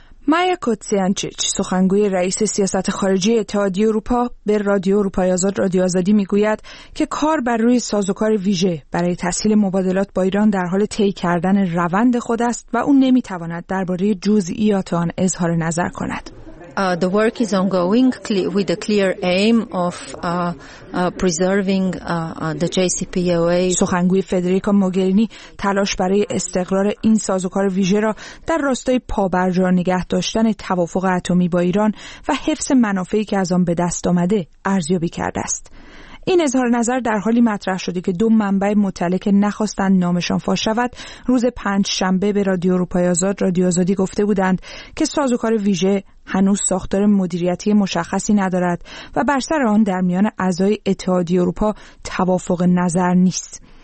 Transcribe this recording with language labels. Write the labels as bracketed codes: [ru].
[fa] مایا کوتسیانچیچ، سخنگوی رئیس سیاست خارجی اتحادیه اروپا، به رادیو اروپای آزاد رادیو آزادی میگوید که کار بر روی سازوکار ویژه برای تسهیل مبادلات با ایران در حال طی کردن روند خود است و او نمیتواند درباره جزئیات آن اظهار نظر کند. [en] The work is ongoing with a clear aim of preserving the JCPOA. [fa] سخنگوی فدریکا موگرینی تلاش برای استقرار این سازوکار ویژه را در راستای پابرجا نگه داشتن توافق اتمی با ایران و حفظ منافعی که از آن به دست آمده ارزیابی کرده است. این اظهار نظر در حالی مطرح شده که دو منبع مطلع که نخواستند نامشان فاش شود، روز پنج شنبه به رادیو اروپای آزاد رادیو آزادی گفته بودند که سازوکار ویژه هنوز ساختار مدیریتی مشخصی ندارد و بر سر آن در میان اعضای اتحادیه اروپا توافق نظر نیست.